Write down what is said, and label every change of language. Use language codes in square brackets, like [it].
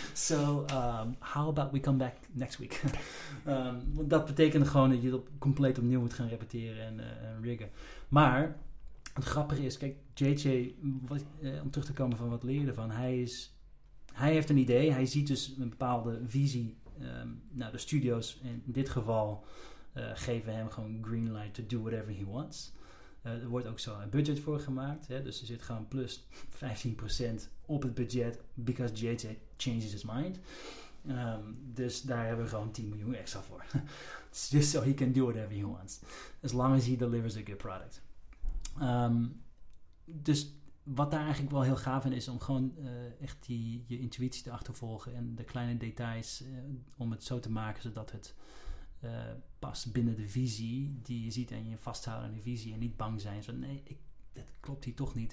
[en] So, how about we come back next week? [nl] Want dat betekende gewoon dat je het compleet opnieuw moet gaan repeteren en riggen. Maar het grappige is, kijk, JJ, om terug te komen van wat leerde van, hij heeft een idee, hij ziet dus een bepaalde visie. Nou, de studio's in dit geval geven hem gewoon [en] green light to do whatever he wants. [nl] Er wordt ook zo een budget voor gemaakt. Hè? Dus er zit gewoon plus 15% op het budget. [en] Because JJ changes his mind. [nl] Dus daar hebben we gewoon 10 miljoen extra voor. [en] It's just so he can do whatever he wants. As long as he delivers a good product. [nl] Dus wat daar eigenlijk wel heel gaaf in is. Om gewoon echt je intuïtie te achtervolgen. En de kleine details. Om het zo te maken zodat het pas binnen de visie die je ziet en je vasthouden aan die visie en niet bang zijn. Zo, nee, dat klopt hier toch niet.